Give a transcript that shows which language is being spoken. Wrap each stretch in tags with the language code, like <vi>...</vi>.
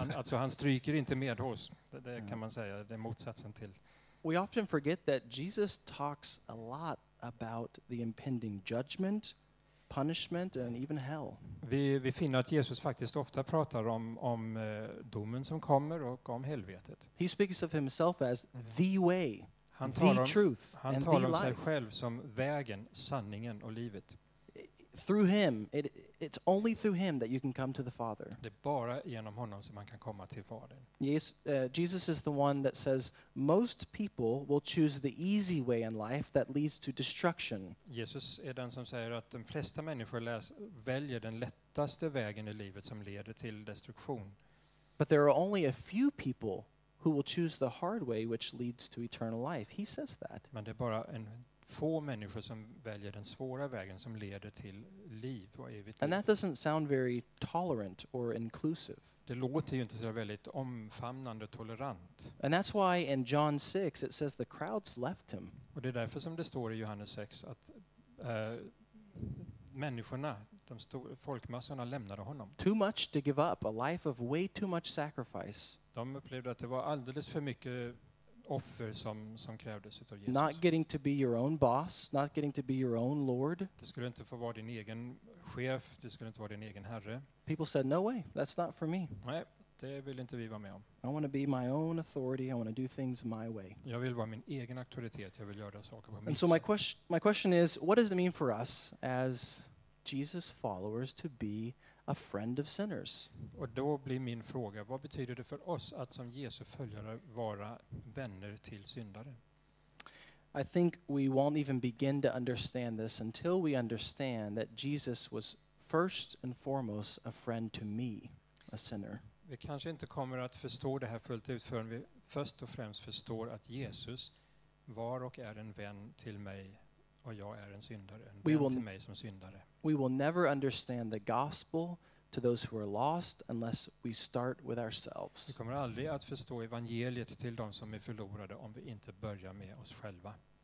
<sv>Han stryker inte med hos. Det kan man säga, det är motsatsen till.</sv> <en>We often forget that Jesus talks a lot about the impending judgment, punishment and even hell.</en> <sv>Vi finner att Jesus faktiskt ofta pratar om domen som kommer och om helvetet.</sv> <en>He speaks of himself as the way.</en> <sv>Han talar</sv> <en>the truth</en> <sv>han</sv> <en>and</en> <sv>talar</sv> <en>the</en> <sv>om</sv> <en>life.</en> <sv>Sig själv som vägen, sanningen och livet.</sv> <en>Through him, it's only through him that you can come to the Father.</en> <sv>Det är bara genom honom som man kan komma till Fadern.</sv> <en>Jesus is the one that says most people will choose the easy way in life that leads to destruction.</en> <sv>Jesus är den som säger att de flesta människor väljer den lättaste vägen i livet som leder till destruktion.</sv> <en>But there are only a few people who will choose the hard way which leads to eternal life. He says that.</en> <sv>Men det är bara en få människor som väljer den svåra vägen som leder till liv och evigt liv.</sv> <en>And that doesn't sound very tolerant or inclusive.</en> <sv>Det låter ju inte så väldigt omfamnande tolerant.</sv> <en>And that's why in John 6 it says the crowds left him.</en> <sv>Och det är därför som det står i Johannes 6 att människorna, de stora folkmassorna lämnade honom.</sv> <en>Too much to give up, a life of way too much sacrifice.</en> <sv>De upplevde att det var alldeles för mycket offer som krävdes utav Jesus.</sv> <en>Not getting to be your own boss, not getting to be your own lord.</en> <sv>Du skulle inte få vara din egen chef, du skulle inte vara din egen herre.</sv> <en>People said no way, that's not for me.</en> <sv>Nej, det vill inte vi vara med om.</sv> <en>I want to be my own authority, I want to do things my way.</en> <sv>Jag vill vara min egen auktoritet, jag vill göra saker på mitt sätt.</sv> <en>So my question is, what does it mean for us as Jesus followers to be a friend of sinners?</en> <sv>Och då blir min fråga, vad betyder det för oss att som Jesu följare vara vänner till syndare?</sv> <en>I think we won't even begin to understand this until we understand that Jesus was first and foremost a friend to me, a sinner.</en> <sv>Vi kanske inte kommer att förstå det här fullt ut förrän vi först och främst förstår att Jesus var och är en vän till mig. Och jag är en syndare, en vän till mig som syndare.</sv> <en>We will never understand the gospel to those who are lost unless we start with ourselves.</en> <sv>Vi kommer aldrig att förstå evangeliet till de som är förlorade om vi inte börjar med oss själva.</sv>